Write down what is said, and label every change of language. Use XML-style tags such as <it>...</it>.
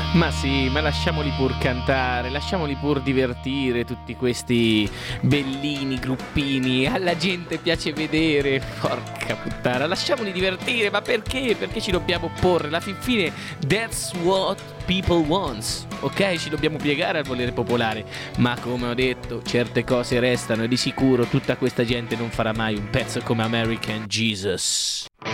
<it>sì, ma lasciamoli pur cantare, lasciamoli pur divertire tutti questi bellini gruppini, alla gente piace vedere, porca puttana, lasciamoli divertire, ma perché? Perché ci dobbiamo opporre? Alla fine,</it> <en>that's what people wants, ok?</en> <it>Ci dobbiamo piegare al volere popolare, ma come ho detto, certe cose restano e di sicuro tutta questa gente non farà mai un pezzo come American Jesus.</it>